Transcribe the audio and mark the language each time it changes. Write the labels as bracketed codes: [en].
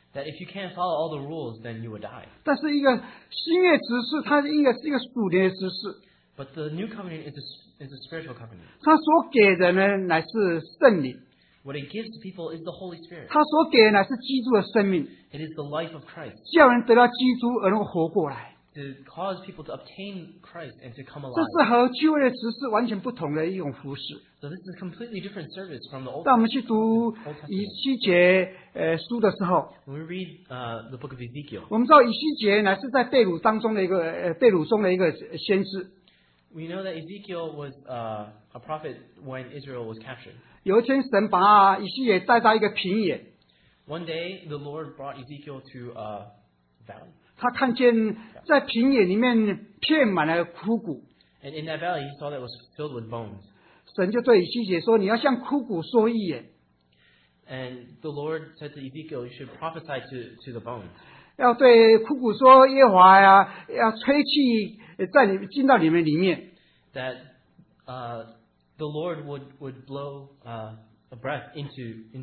[en] That if you can't follow all the rules, then you will die. [zh] 但是一个新约执事，他应该是一个属灵的执事。 [en] But the new covenant is a spiritual covenant. [zh] 他所给的呢，乃是圣灵。 [en] What it gives to people is the Holy Spirit. [zh] 他所给的乃是基督的生命。 [en] It is the life of Christ. [zh] 叫人得到基督而能活过来。 [en] To cause people to obtain Christ and to come alive. [zh] 这是和旧约执事完全不同的一种服事。 [en] So this is a completely different service from the Old Testament. [zh] 当我们去读以西结书的时候， [en] When we read the book of Ezekiel, [zh] 我们知道以西结乃是在被掳中的一个先知。 [en] We know that Ezekiel was a prophet when Israel was captured. [zh] 有一天神把以西结带到一个平野。 [en] One day the Lord brought Ezekiel to a valley. [zh] 他看见在平野里面遍满了枯骨。 [en] And in that valley he saw that it was filled with bones. [zh] 神就对以西结说，你要向枯骨说预言。 [en] And the Lord said to Ezekiel, you should prophesy to the bones. [zh] 要对枯骨说，耶和华呀，要吹气在你进到你们里面。 [en] That the Lord would blow a breath into